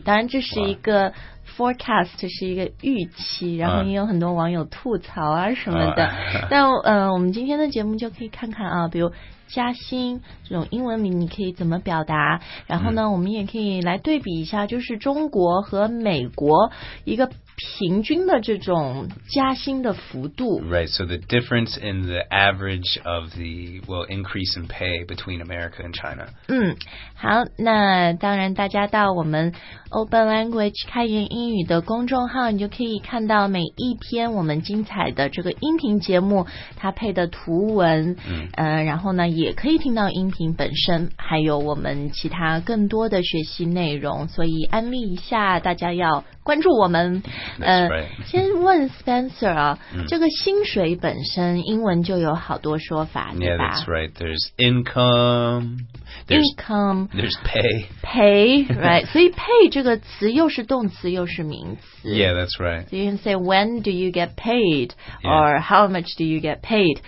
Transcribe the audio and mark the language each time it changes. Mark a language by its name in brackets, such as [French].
[Chinese] 当然，这是一个。Forecast 是一个预期，然后也有很多网友吐槽啊什么的。我们今天的节目就可以看看啊，比如加薪这种英文名你可以怎么表达？然后呢，我们也可以来对比一下，就是中国和美国一个平均的这种加薪的幅度。 [English] Right, so the difference in the average of the increase in pay between America and China. [Chinese] 好，那当然大家到我们 Open Language 开言英语的公众号，你就可以看到每一篇我们精彩的这个音频节目，它配的图文，然后呢也可以听到音频本身，还有我们其他更多的学习内容，所以安利一下，大家要关注我们。 [English] That's right. [Chinese] 先问 Spencer 啊，这个薪水本身英文就有好多说法， [English] yeah, 对吧 ？Yeah, that's right. There's income. There's pay. Pay, right? [Chinese] 所以 pay 这个词又是动词又是名词。 [English] Yeah, that's right. So you can say when do you get paid or how much do you get paid?